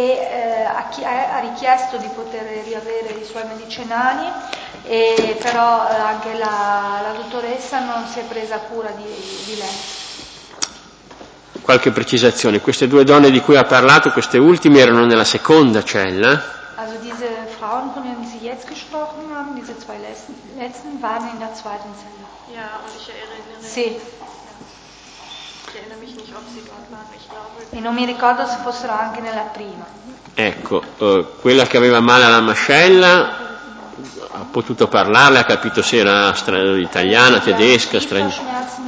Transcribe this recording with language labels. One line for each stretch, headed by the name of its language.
Italian: E ha richiesto di poter riavere i suoi medicinali, e però anche la dottoressa non si è presa cura di lei. Qualche precisazione, queste due donne di cui ha parlato, queste ultime erano nella seconda cella.
German: Also diese Frauen, von denen Sie jetzt gesprochen haben, diese zwei letzten waren in der zweiten Zelle. Ja, und ich erinnere.
Italian: Sì.
German: Ich erinnere mich nicht, ob sie dort waren, ich glaube.
Italian: E non mi ricordo se fossero anche nella prima. Ecco, quella che aveva male alla mascella ha potuto parlare, ha capito se era italiana, tedesca, straniera.